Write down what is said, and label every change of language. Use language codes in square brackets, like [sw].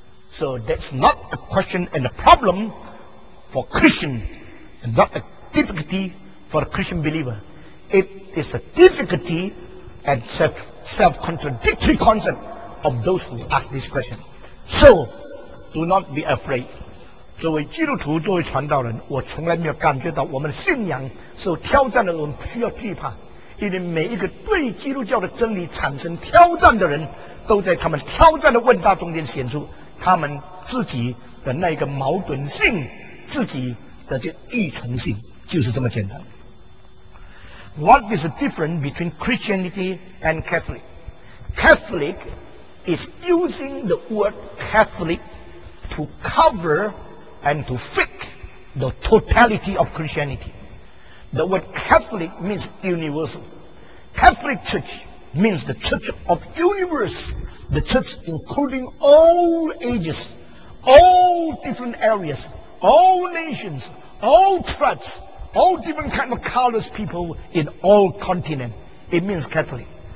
[en] So that's not a question and a problem for Christian and not a difficulty for a Christian believer. It is a difficulty and self-contradictory concept of those who ask this question. So, do not be afraid. [zh] 作为基督徒，作为传道人，我从来没有感觉到我们的信仰受挑战的人需要惧怕，因为每一个对基督教的真理产生挑战的人，都在他们挑战的问答中间显出他们自己的那个矛盾性，自己的这异存性，就是这么简单。 [en] What is the difference between Christianity and Catholic? Catholic is using the word Catholic to cover and to fit the totality of Christianity. The word Catholic means universal. Catholic Church means the Church of Universe, the Church including all ages, all different areas, all nations, all tribes, all different kind of colors people in all continent. It means Catholic.